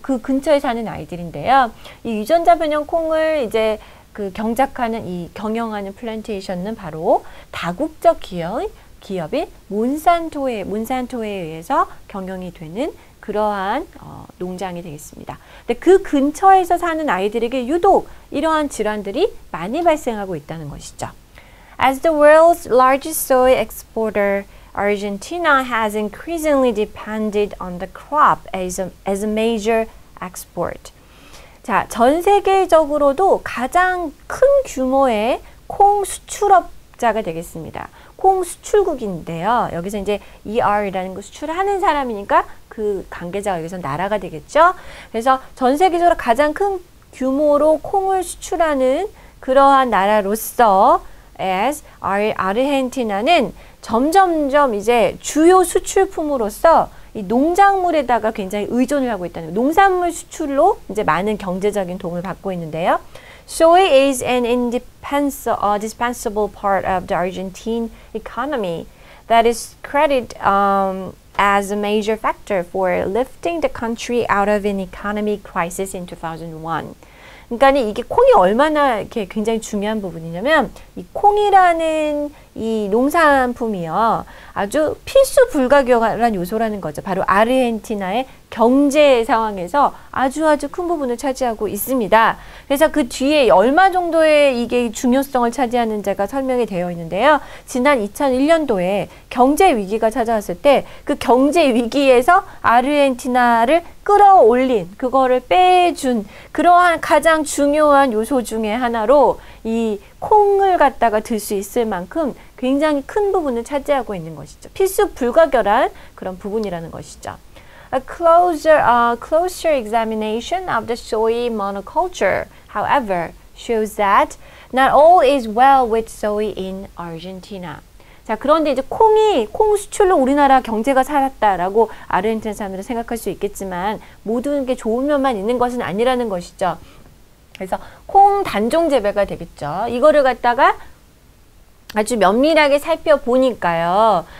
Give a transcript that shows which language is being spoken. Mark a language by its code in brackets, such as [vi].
[ko] 그 근처에 사는 아이들인데요. 이 유전자 변형 콩을 이제 그 경작하는, 이 경영하는 플랜테이션은 바로 다국적 기업인 문산토에 의해서 경영이 되는 그러한 농장이 되겠습니다. 근데 그 근처에서 사는 아이들에게 유독 이러한 질환들이 많이 발생하고 있다는 것이죠. [en] As the world's largest soy exporter, Argentina has increasingly depended on the crop as a major export. [ko] 자, 전 세계적으로도 가장 큰 규모의 콩 수출업자가 되겠습니다. 콩 수출국인데요. 여기서 이제 ER라는 거 수출하는 사람이니까 그 관계자가 여기서 나라가 되겠죠. 그래서 전 세계적으로 가장 큰 규모로 콩을 수출하는 그러한 나라로서 as Argentina는 점점점 이제 주요 수출품으로서 이 농작물에다가 굉장히 의존을 하고 있다는 거예요. 농산물 수출로 이제 많은 경제적인 도움을 받고 있는데요. [en] Soy is an indispensable part of the Argentine economy that is credited as a major factor for lifting the country out of an economic crisis in 2001. [ko] 그러니까 이게 콩이 얼마나 이렇게 굉장히 중요한 부분이냐면 이 콩이라는 이 농산품이요. 아주 필수 불가결한 요소라는 거죠. 바로 아르헨티나의 경제 상황에서 아주 큰 부분을 차지하고 있습니다. 그래서 그 뒤에 얼마 정도의 이게 중요성을 차지하는지가 설명이 되어 있는데요. 지난 2001년도에 경제 위기가 찾아왔을 때 그 경제 위기에서 아르헨티나를 끌어올린, 그거를 빼준 그러한 가장 중요한 요소 중에 하나로 이 콩을 갖다가 들 수 있을 만큼 굉장히 큰 부분을 차지하고 있는 것이죠. 필수 불가결한 그런 부분이라는 것이죠. [en] A closer examination of the soy monoculture, however, shows that not all is well with soy in Argentina. [ko] 자, 그런데 이제 콩 수출로 우리나라 경제가 살았다라고 아르헨티나 사람들은 생각할 수 있겠지만 모든 게 좋은 면만 있는 것은 아니라는 것이죠. 그래서 콩 단종 재배가 되겠죠. 이거를 갖다가 아주 면밀하게 살펴보니까요.